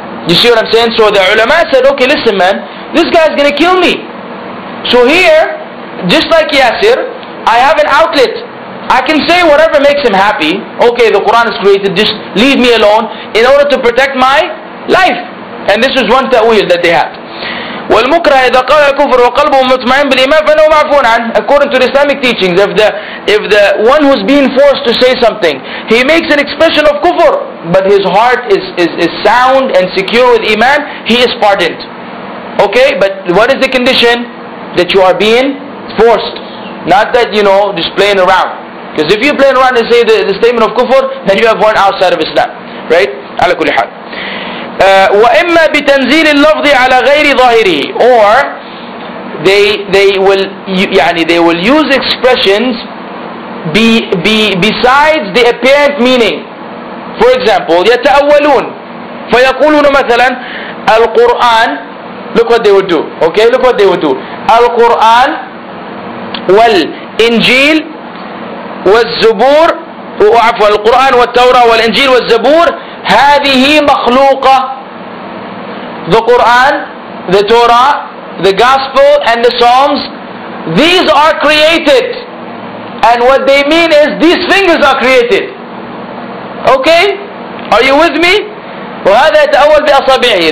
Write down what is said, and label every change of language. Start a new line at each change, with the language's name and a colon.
English: You see what I'm saying? So the ulama said, okay, listen man, this guy is going to kill me. So here, just like Yasir, I have an outlet. I can say whatever makes him happy. Okay, the Quran is created, just leave me alone in order to protect my life. And this is one ta'wil that they had.
Arabic: والمكره إذا قال الكفر وقلبه مطمئن بالإيمان فإنه معفون عنه.
English: According to the Islamic teachings, if the one who's being forced to say something, he makes an expression of kufr, but his heart is sound and secure with iman, he is pardoned. Okay, but what is the condition? That you are being forced, not that you know just playing around. Because if you playing around and say the statement of kufr, then you have gone outside of Islam, right?
Arabic: على كل حال. وإما بتنزيل اللفظ على غير ظاهره.
English: Or they will use expressions besides the apparent meaning. For example,
Arabic: يتأولون فيقولون مثلا القرآن.
English: Look what they would do. Okay, look what they would do.
Arabic: القرآن والإنجيل والزبور وعفوا القرآن والتوراة والإنجيل والزبور هذه مخلوقة.
English: The Quran, the Torah, the Gospel and the Psalms, these are created. And what they mean is these things are created. Okay? Are you with me?
Arabic: وهذا يتأول بأصابعه.